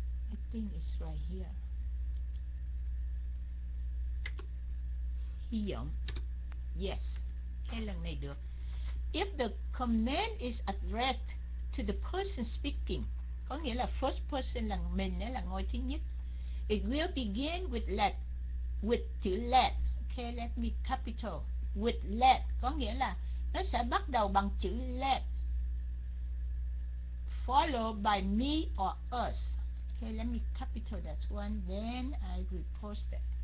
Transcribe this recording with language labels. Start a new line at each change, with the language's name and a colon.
English: I think it's right here.
Vietnamese: Hiểm. Yes, cái lần này được.
English: If the command is addressed to the person speaking,
Vietnamese: có nghĩa là first person là mình ấy, là ngôi thứ nhất.
English: It will begin with let, with chữ let. Okay, let me capital.
Vietnamese: With let có nghĩa là nó sẽ bắt đầu bằng chữ let,
English: followed by me or us. Okay, let me capital that one. Then I repost that.